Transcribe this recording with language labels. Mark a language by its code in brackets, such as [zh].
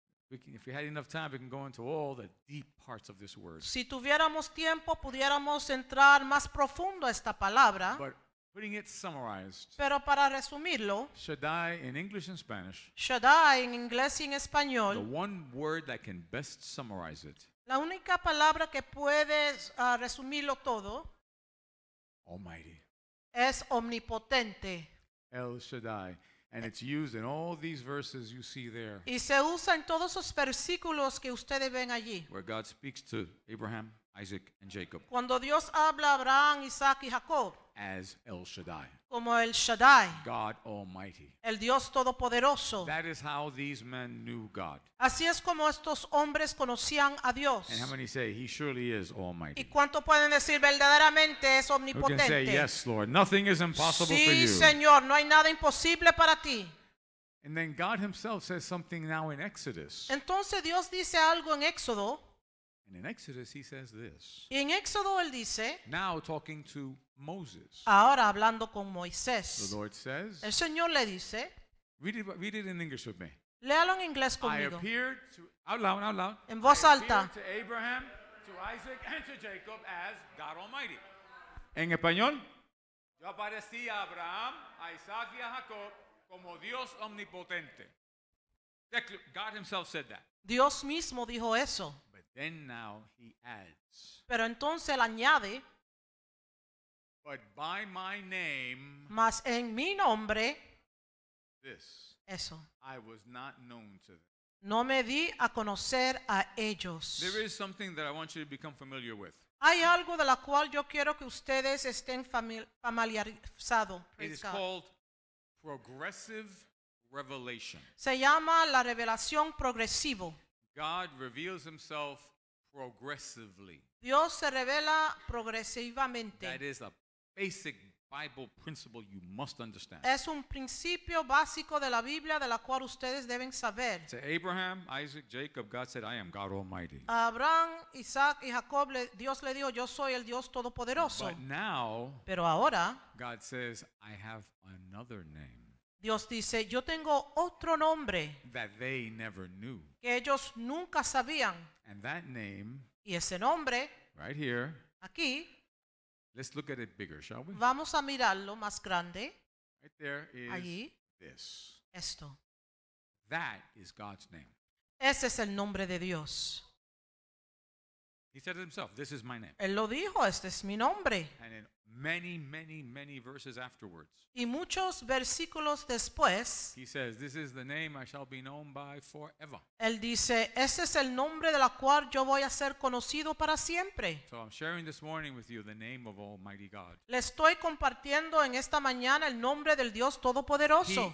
[en] If we had enough time, we can go into all the deep parts of this word. [es] Si tuviéramos tiempo, pudiéramos entrar más profundo a esta palabra. [en] But putting it summarized. [es] Pero para resumirlo. [en] Shaddai in English and Spanish. [es] Shaddai en inglés y en español. [en] The one word that can best summarize it. [es] La única palabra que puede resumirlo todo. [en] Almighty. [es] Es omnipotente. El Shaddai. [en] And it's used in all these verses you see there. [es] Y se usa en todos esos versículos que ustedes ven allí. [en] Where God speaks to Abraham, Isaac, and Jacob. [es] Cuando Dios habla a Abraham, Isaac, y Jacob. [en] As El Shaddai. [es] Como El Shaddai. [en] God Almighty. [es] El Dios Todopoderoso. [en] That is how these men knew God. [es] Así es como estos hombres conocían a Dios. [en] And how many say, He surely is Almighty. [es] ¿Y cuánto pueden decir, verdaderamente es omnipotente? [en] Who can say, yes, Lord, nothing is impossible [es] sí, [en] for you. [es] Sí, Señor, no hay nada imposible para ti. [en] And then God himself says something now in Exodus. [es] Entonces Dios dice algo en Éxodo. [en] And in Exodus he says this. [es] Y en Éxodo él dice. [en] Now talking to Moses. [es] Ahora hablando con Moisés. [en] The Lord says. [es] El Señor le dice. [en] Read it in English with me. [es] Léalo en inglés conmigo. [en] I appeared to, out loud. [es] En voz alta. [en] To Abraham, to Isaac, and to Jacob as God Almighty. [es] En español. Yo aparecí a Abraham, a Isaac y a Jacob como Dios omnipotente. [en] God himself said that. [es] Dios mismo dijo eso. [en] Then now he adds. [es] Pero entonces él añade. [en] But by my name. [es] Mas en mi nombre. [en] This. [es] Eso. [en] I was not known to them. [es] No me di a conocer a ellos. [en] There is something that I want you to become familiar with. [es] Hay algo de la cual yo quiero que ustedes estén familiarizado. [en] It is called progressive revelation. [es] Se llama la revelación progresivo. [en] God reveals himself progressively. [es] Dios se revela progresivamente. [en] That is a basic Bible principle you must understand. [es] Es un principio básico de la Biblia de la cual ustedes deben saber. [en] To Abraham, Isaac, Jacob, God said, I am God Almighty. [es] A Abraham, Isaac, y Jacob, Dios le dijo, yo soy el Dios Todopoderoso. [en] But now, [es] pero ahora, [en] God says, I have another name. [es] Dios dice, yo tengo otro nombre [en] that they never knew. [es] Que ellos nunca sabían. [en] And that name, [es] y ese nombre, [en] right here, [es] aquí, [en] let's look at it bigger, shall we? [es] Vamos a mirarlo más grande. [en] Right there is [es] allí, [en] this. [es] Esto. [en] That is God's name. [es] Ese es el nombre de Dios. [en] He said it himself, this is my name. [es] Él lo dijo, este es mi nombre. [en] And in many verses afterwards. [es] Y muchos versículos después. [en] He says, this is the name I shall be known by forever. [es] Él dice, ese es el nombre de la cual yo voy a ser conocido para siempre. [en] So I'm sharing this morning with you the name of Almighty God. [es] Le estoy compartiendo en esta mañana el nombre del Dios Todopoderoso.